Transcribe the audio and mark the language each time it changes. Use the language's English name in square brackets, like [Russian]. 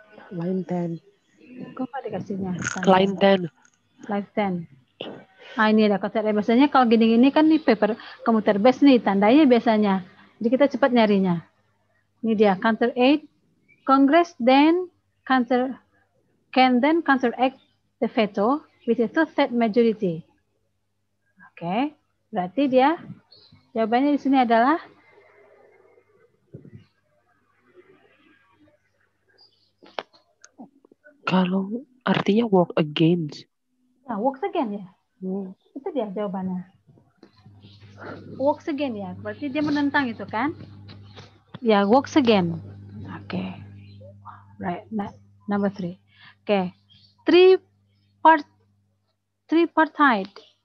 [English] Line 10. [Indonesian] Kok gak dikasihnya? [English] Line 10. [Indonesian] Line 10. Nah, ini ada counteract. Biasanya kalau gini-gini kan nih paper komputer base nih tandanya biasanya. Jadi kita cepat nyarinya. Ini dia counteract. [English] Congress then counteract the veto with a two-third majority. Oke, okay. [Indonesian] Berarti dia jawabannya di sini adalah kalau artinya work against. Nah, work against ya. Itu dia jawabannya. works again ya, berarti dia menentang itu kan? Ya, yeah, works again. Oke. Okay. [English] Right. Number three. [Indonesian] Oke. Okay. Tripartite.